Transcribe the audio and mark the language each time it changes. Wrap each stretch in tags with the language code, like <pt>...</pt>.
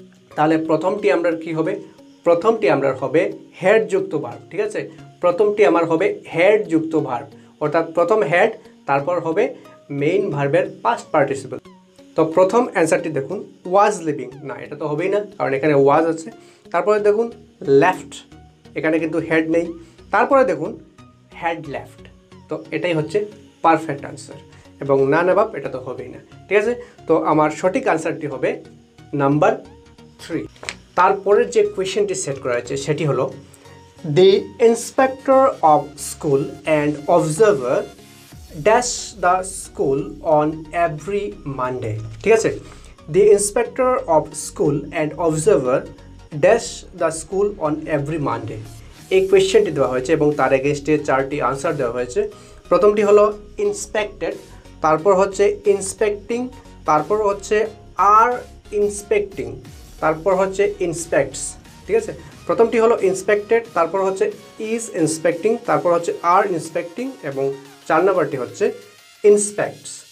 <bn>তাহলে প্রথমটি আমরা কী হবে প্রথমটি আমরা হবে হেডযুক্ত ভার্ব ঠিক আছে প্রথমটি আমার হবে হেডযুক্ত ভার্ব অর্থাৎ প্রথম হেড তারপর হবে মেইন ভার্বের পাস্ট পার্টিসিপেন্ট তো প্রথম অ্যান্সারটি দেখুন ওয়াজ লিভিং না এটা তো হবেই না কারণ এখানে ওয়াজ আছে তারপরে দেখুন লেফট এখানে কিন্তু হেড নেই তারপরে দেখুন হেড লেফট তো এটাই হচ্ছে পারফেক্ট অ্যান্সার এবং না না বাপ এটা তো হবেই না ঠিক আছে তো আমার সঠিক অ্যান্সারটি হবে নাম্বার 3 তারপরের যে কোয়েশ্চেনটি সেট করা হয়েছে সেটি হলো</bn> <en>The inspector of school and observer dash the school on every Monday.</en> <bn>ঠিক আছে?</bn> <en>The inspector of school and observer dash the school on every Monday.</en> <bn>এই কোয়েশ্চেনটি দেওয়া হয়েছে এবং তার এগেনস্টে চারটি আনসার দেওয়া হয়েছে। প্রথমটি হলো ইন্সপেক্টেড, তারপর হচ্ছে ইন্সপেক্টিং, তারপর হচ্ছে আর ইন্সপেক্টিং, তারপর হচ্ছে ইন্সপেক্টস। ঠিক আছে, প্রথমটি হলো ইন্সপেক্টেড, তারপর হচ্ছে ইজ ইন্সপেক্টিং, তারপর হচ্ছে আর ইন্সপেক্টিং, এবং চার নম্বরটি হচ্ছে ইন্সপেক্টস।</bn>